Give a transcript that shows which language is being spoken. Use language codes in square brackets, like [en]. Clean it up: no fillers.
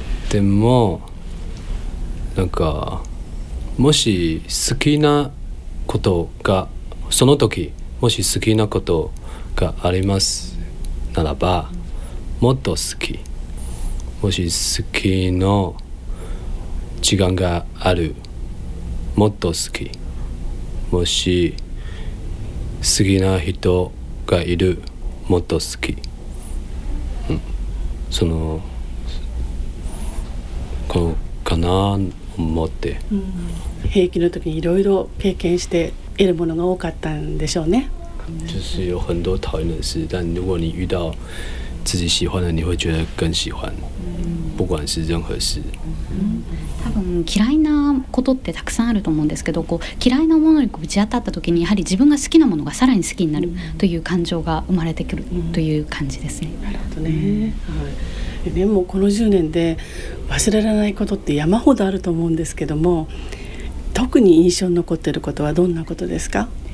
[ja] でもなんかもし好きなことがその時もし好きなことがありますならばもっと好き、もし好きの時間があるもっと好き、もし好きな人がいるもっと好き、そのところかなと思って、うん、兵役の時にいろいろ経験して得るものが多かったんでしょうね。 [zh] 就是有很多讨厌的事，但如果你遇到自己喜欢的，你会觉得更喜欢。不管是任何事。 [ja] 多分嫌いなことってたくさんあると思うんですけど、こう嫌いなものに打ち当たった時に、やはり自分が好きなものがさらに好きになるという感情が生まれてくるという感じですね。なるほどね。はい。でもこの10年で忘れられないことって山ほどあると思うんですけども、特に印象に残っていることはどんなことですか？